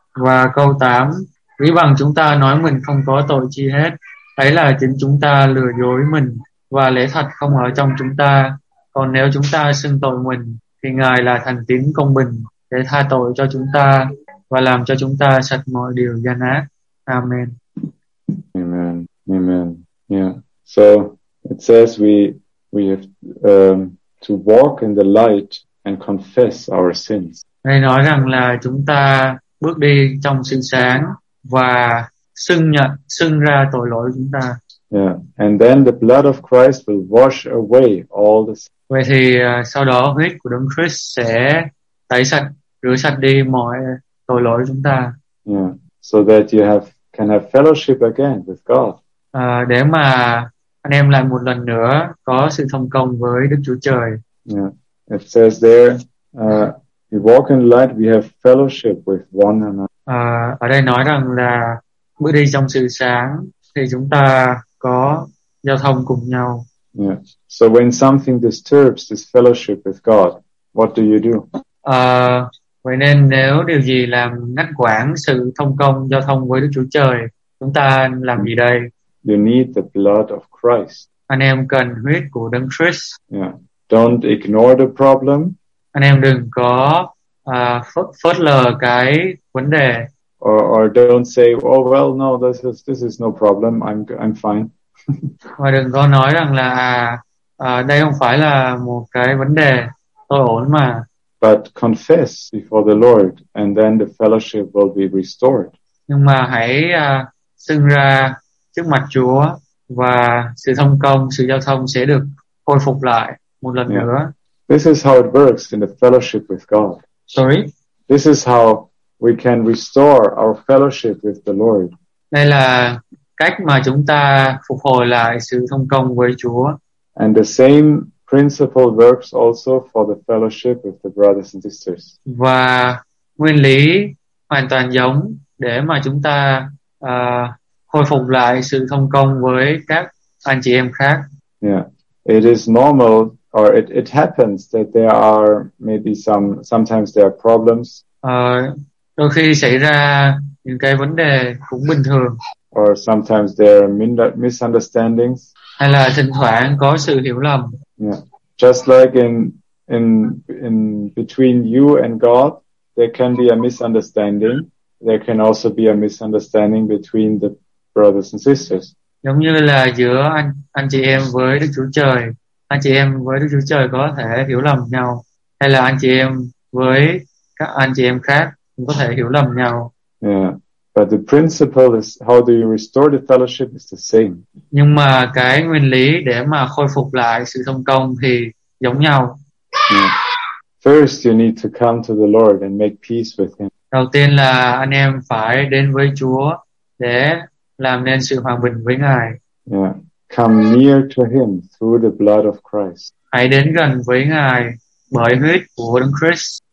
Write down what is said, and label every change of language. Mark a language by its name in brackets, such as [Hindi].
[Vietnamese] Và câu 8, ví bằng chúng ta nói mình không có tội chi hết, ấy là chính chúng ta lừa dối mình và lẽ thật không ở trong chúng ta. Còn nếu chúng ta xưng tội mình, thì Ngài là thành tín công bình để tha tội cho chúng ta và làm cho chúng ta sạch mọi điều gian ác. Amen. Amen. Amen. Yeah. [English] So it says we have to walk in the light and confess our sins. [Vietnamese] Đây nói rằng là chúng ta bước đi trong sự sáng và xưng ra tội lỗi chúng ta. [English] Yeah. And then the blood of Christ will wash away all the sins. [Vietnamese] Vậy thì sau đó huyết của Đấng Christ sẽ tẩy sạch, rửa sạch đi mọi tội lỗi chúng ta. [English] Yeah. So that you can have fellowship again with God. [Vietnamese] Để mà anh em lại một lần nữa có sự thông công với Đức Chúa Trời. [English] Yeah. It says there, we walk in light, we have fellowship with one another. [Vietnamese] Ở đây nói rằng là bước đi trong sự sáng thì chúng ta có giao thông cùng nhau. [English] Yeah. So when something disturbs this fellowship with God, what do you do? [Vietnamese] Vậy nên nếu điều gì làm ngắt quãng sự thông công giao thông với Đức Chúa Trời, chúng ta làm gì đây? [English] You need the blood of Christ. [Vietnamese] Anh em cần huyết của Đấng Christ. [English] Yeah. Don't ignore the problem. [Vietnamese] Anh em đừng có phớt lờ cái vấn đề. [English] Or don't say, oh well, no, this is no problem. I'm fine. [Vietnamese] Và đừng có nói rằng là đây không phải là một cái vấn đề, tôi ổn mà. [English] But confess before the Lord, and then the fellowship will be restored. [Vietnamese] Nhưng mà hãy xưng ra trước mặt Chúa và sự thông công, sự giao thông sẽ được khôi phục lại một lần nữa. [English] This is how it works in the fellowship with God. Sorry. This is how we can restore our fellowship with the Lord. [Vietnamese] Đây là cách mà chúng ta phục hồi lại sự thông công với Chúa. [English] And the same principle works also for the fellowship with the brothers and sisters. [Vietnamese] Và nguyên lý hoàn toàn giống để mà chúng ta khôi phục lại sự thông công với các anh chị em khác. [English] Yeah. It is normal, or it happens that there are maybe sometimes there are problems. [Vietnamese] Đôi khi xảy ra những cái vấn đề cũng bình thường. [English] Or sometimes there are misunderstandings. [Vietnamese] Hay là thỉnh thoảng có sự hiểu lầm. [English] Yeah. Just like in between you and God, there can be a misunderstanding. There can also be a misunderstanding between the brothers and sisters. [Vietnamese] Giống như là giữa anh chị em với Đức Chúa Trời, anh chị em với Đức Chúa Trời có thể hiểu lầm nhau, hay là anh chị em với các anh chị em khác cũng có thể hiểu lầm nhau. [English] Yeah. But the principle is, how do you restore the fellowship is the same. [Vietnamese] Nhưng mà cái nguyên lý để mà khôi phục lại sự thông công thì giống nhau. [English] Yeah. First you need to come to the Lord and make peace with him. [Vietnamese] Đầu tiên là anh em phải đến với Chúa để làm nên sự hòa bình với Ngài. [English] Yeah. Come near to him through the blood of Christ. [Vietnamese] Hãy đến gần với Ngài bởi huyết của Đấng Christ.